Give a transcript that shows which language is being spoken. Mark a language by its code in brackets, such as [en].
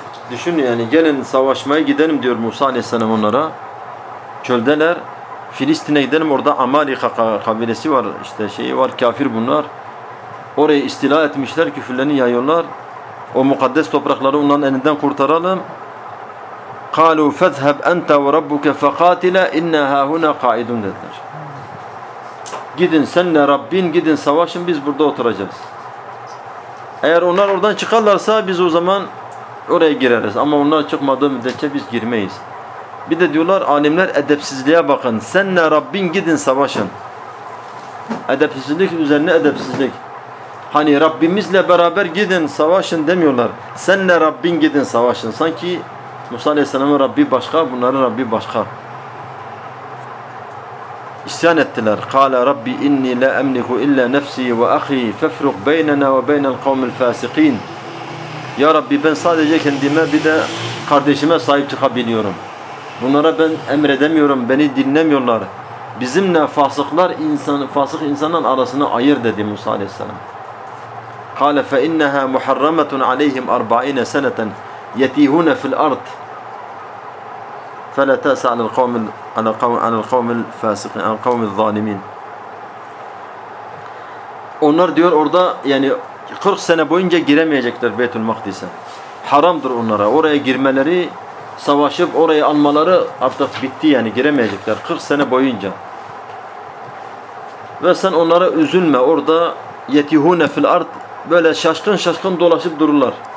[tr] Düşün yani, gelin savaşmaya gidelim diyor Musa aleyhisselam onlara. çöldeler. Filistin'e gidelim, orada Amalika kabilesi var, işte şeyi var, kafir bunlar. Orayı istila etmişler, küfürlerini yayıyorlar. O mukaddes toprakları onların elinden kurtaralım. [ar] قالوا فاذهب انت وربك فقاتلا ان ها هنا قاعدون dediler. [tr] Gidin senle Rabbin, gidin savaşın, biz burada oturacağız. Eğer onlar oradan çıkarlarsa biz o zaman oraya gireriz. Ama onlar çıkmadığı müddetçe biz girmeyiz. Bir de diyorlar alimler, edepsizliğe bakın. Senle Rabbin, gidin savaşın. Edepsizlik üzerine edepsizlik. Hani Rabbimizle beraber gidin savaşın demiyorlar. Senle Rabbin, gidin savaşın. Sanki Musa Aleyhisselam'ın Rabbi başka, bunların Rabbi başka. İsyan ettiler. [ar] قال ربي إني لا أملك إلا نفسي وأخي فافرق بيننا وبين القوم الفاسقين. [tr] Ya Rabbi, ben sadece kendime bir de kardeşime sahip çıkabiliyorum. Bunlara ben emredemiyorum, beni dinlemiyorlar. Bizimle fasıklar insan, fasık insanların arasını ayır dedi Musa Aleyhisselam. [ar] قال فإنها محرمة عليهم 40 سنة يتيهون في الأرض فلا تأس على القوم الفاسقين, القوم الظالمين. [tr] Onlar diyor orada yani 40 sene boyunca giremeyecekler Beytül Makdis'e. Haramdır onlara. Oraya girmeleri, savaşıp orayı almaları artık bitti yani, giremeyecekler 40 sene boyunca. Ve sen onlara üzülme. Orada [ar] yetihune fil ard, [tr] böyle şaşkın şaşkın dolaşıp dururlar.